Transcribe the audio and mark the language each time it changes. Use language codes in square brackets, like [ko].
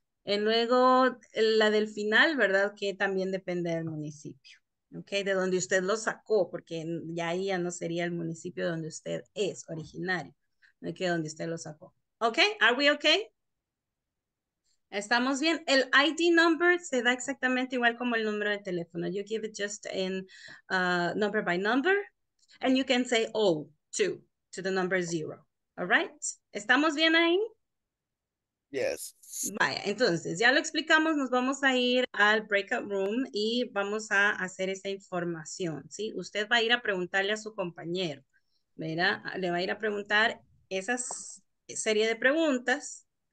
[es] Y luego la del final, ¿verdad? Que también depende del municipio. Okay, de donde usted lo sacó, porque ya ahí ya no sería el municipio donde usted es originario, no que donde usted lo sacó. [en] Okay, are we okay? [es] Estamos bien. El ID number se da exactamente igual como el número de teléfono. [en] You give it just in number by number, and you can say O two to the number zero. All right, [es] estamos bien ahí. [en] Yes. [es] Vaya, entonces, ya lo explicamos, nos vamos a ir al breakout room y vamos a hacer esa información, ¿sí? Usted va a ir a preguntarle a su compañero, ¿verdad? Le va a ir a preguntar esa serie de preguntas.